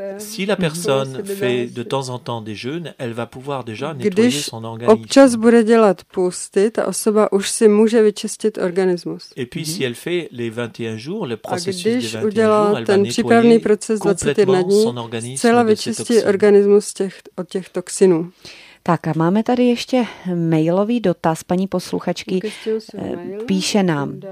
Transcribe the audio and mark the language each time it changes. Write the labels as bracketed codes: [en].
[fr] Si la personne fait de temps en temps des jeûnes, elle va pouvoir déjà nettoyer son organisme. [cs] Občas bude dělat pusty, ta osoba už si může vyčistit organismus. [fr] Et puis si elle fait les 21 jours, le processus des 21 jours, elle va nettoyer [cs] ten přípravný proces 21 dní, zcela vyčistí organismus od těch toxinů. Tak a máme tady ještě mailový dotaz, paní posluchačky píše nám.